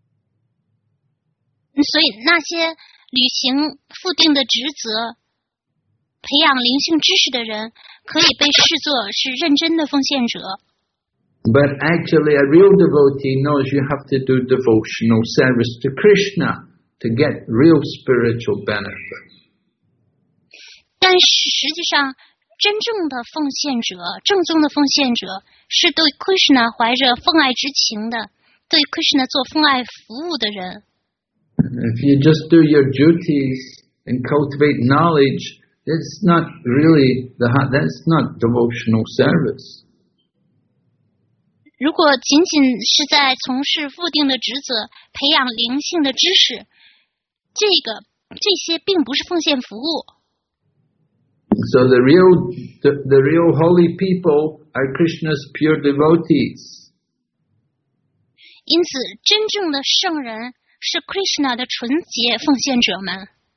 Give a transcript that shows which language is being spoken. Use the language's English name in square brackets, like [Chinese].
[Chinese] 所以那些履行附定的职责、培养灵性知识的人，可以被视作是认真的奉献者。 [English] But actually, a real devotee knows you have to do devotional service to Krishna to get real spiritual benefit. [Chinese] 但实际上，真正的奉献者，正宗的奉献者。是对 Krishna 怀着奉爱之情的，对 Krishna 做奉爱服务的人。 [English] If you just do your duties and cultivate knowledge, that's not really that's not devotional service. [Chinese] 如果仅仅是在从事固定的职责，培养灵性的知识，这些并不是奉献服务。 [English] So the real holy people are Krishna's pure devotees. [Chinese] 因此，真正的圣人是 Krishna 的纯洁奉献者们。